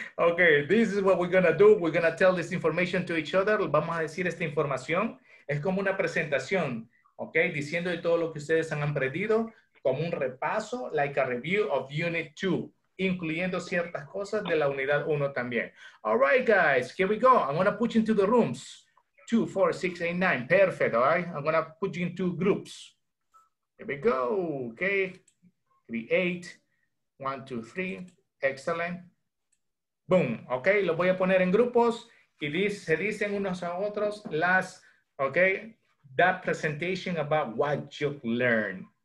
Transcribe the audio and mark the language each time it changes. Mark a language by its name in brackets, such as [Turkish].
[English] Okay, this is what we're going to do. We're going to tell this information to each other. [Spanish] Vamos a decir esta información. Es como una presentación, okay? Diciendo de todo lo que ustedes han aprendido, como un repaso, [English] like a review of Unit 2, [Spanish] incluyendo ciertas cosas de la Unidad 1 también. [English] All right, guys, here we go. I'm going to put you into the rooms. 2, 4, 6, 8, 9. Perfect, all right? I'm going to put you into groups. Here we go, okay? Create, 1, 2, 3, excellent. [Spanish] Boom, ok, lo voy a poner en grupos y se dicen unos a otros las, ok, [English] that presentation about what you learned.